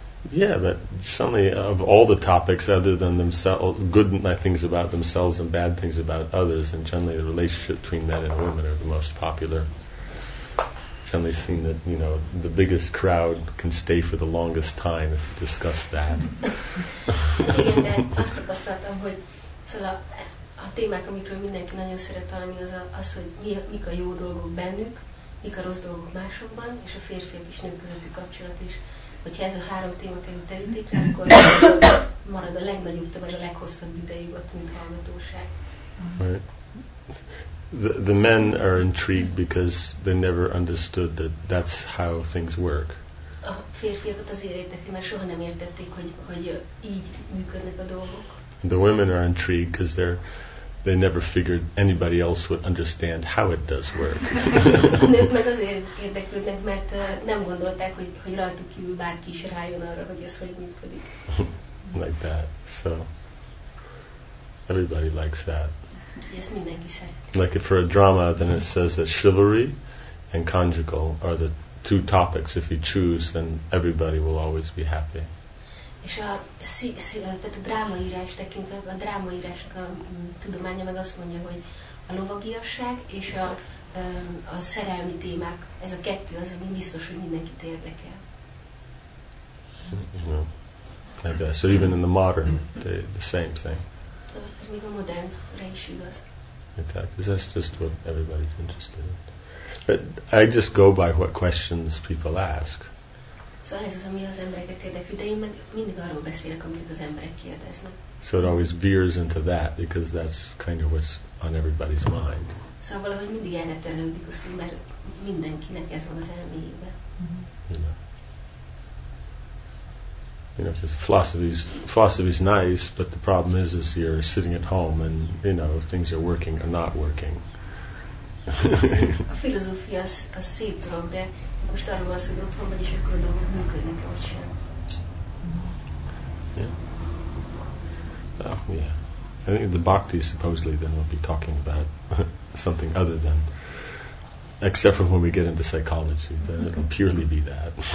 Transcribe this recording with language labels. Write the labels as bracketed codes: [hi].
[en] Yeah, but suddenly of all the topics other than themselves, good things about themselves and bad things about others, and generally the relationship between men and women are the most popular. Generally seen that, you know, the biggest crowd can stay for the longest time if you discuss that. [hu] A témák, amikről mindenki nagyon szeret találni, az, az, hogy mik a jó dolgok bennük, mik a rossz dolgok másokban, és a férfiak és nők közötti kapcsolat is. Hogyha ez a három téma kerül terítékre, akkor marad a legnagyobb tag, az a leghosszabb ideig ott, mint hallgatóság. [en] The men are intrigued because they never understood that that's how things work. [hu] A férfiakat azért érdekli, mert soha nem értették, hogy, hogy így működnek a dolgok. [en] The women are intrigued because they never figured anybody else would understand how it does work. [hu] Nők meg azért érdeklődnek, mert nem gondolták, hogy, hogy rajtuk kívül bárki is rájön arra, hogy ez hogy működik. [en] Like that. So, everybody likes that. [hu] Ezt mindenki szeret. [en] Like if for a drama, then it says that chivalry and conjugal are the two topics. If you choose, then everybody will always be happy. [hu] És a, tehát a drámaírás tekintve, a drámaírásnak a tudománya meg azt mondja, hogy a lovagiasság és a szerelmi témák, ez a kettő az, ami biztos, hogy mindenkit érdekel. [en] Yeah. So even in the modern, the same thing. [hu] Ez még a modernre is igaz. [en] That's just what everybody's interested in. But I just go by what questions people ask. [hu] Szóval ez az, ami az embereket érdekli, de én meg mindig arról beszélek, amit az emberek kérdeznek. [en] So it always veers into that, because that's kind of what's on everybody's mind. [hu] Szóval valahogy mindig erre terelődik a szó, mert mindenkinek ez van az elméjében. [en] You know, because philosophy's nice, but the problem is you're sitting at home and, you know, things are working or not working. [hu] A filozófia az, az szép dolog, de most arról van szó, hogy otthon vagy, és akkor a dolgok működnek, vagy sem. [en] Yeah. I think the bhakti supposedly then will be talking about something other than, except for when we get into psychology, then it'll purely be that.